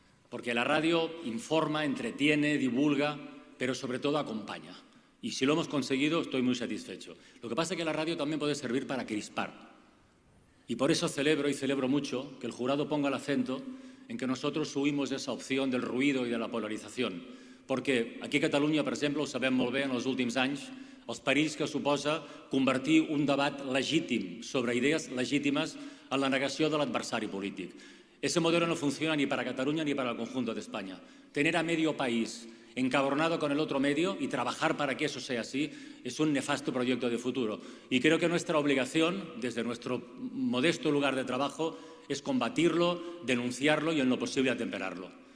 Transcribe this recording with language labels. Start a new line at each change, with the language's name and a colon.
Spanish: Porque la radio informa, entretiene, divulga, pero sobre todo acompaña. Y si lo hemos conseguido, estoy muy satisfecho. Lo que pasa es que la radio también puede servir para crispar. Y por eso celebro y celebro mucho que el jurado ponga el acento en que nosotros huimos de esa opción del ruido y de la polarización. Porque
Catalan: aquí a Catalunya, per exemple, ho sabem molt bé en els últims anys, els perills que suposa convertir un debat legítim sobre idees legítimes en la negació de l'adversari polític.
Spanish: Ese modelo no funciona ni para Catalunya ni para el conjunto de España. Tener a medio país encabronado con el otro medio y trabajar para que eso sea así es un nefasto proyecto de futuro. Y creo que nuestra obligación, desde nuestro modesto lugar de trabajo, es combatirlo, denunciarlo y en lo posible atemperarlo.